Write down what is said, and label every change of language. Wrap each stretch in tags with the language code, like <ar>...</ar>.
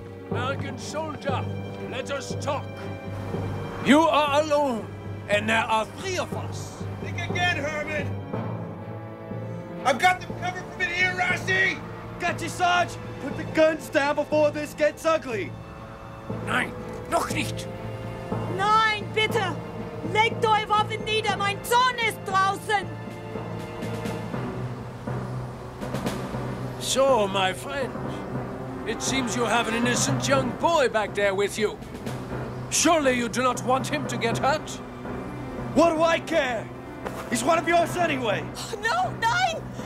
<en>American soldier, let us talk. You are alone, and there are three of us. Think again, Herman! I've got them covered from in here, Rassi! Got you, Sarge! Put the guns down before this gets ugly!</en> <de>Nein, noch nicht! Nein, bitte! Legt eure Waffen nieder, mein Sohn ist draußen!</de> <en>So, my friend, it seems you have an innocent young boy back there with you. Surely you do not want him to get hurt? What do I care? He's one of yours anyway! No, nein!</en>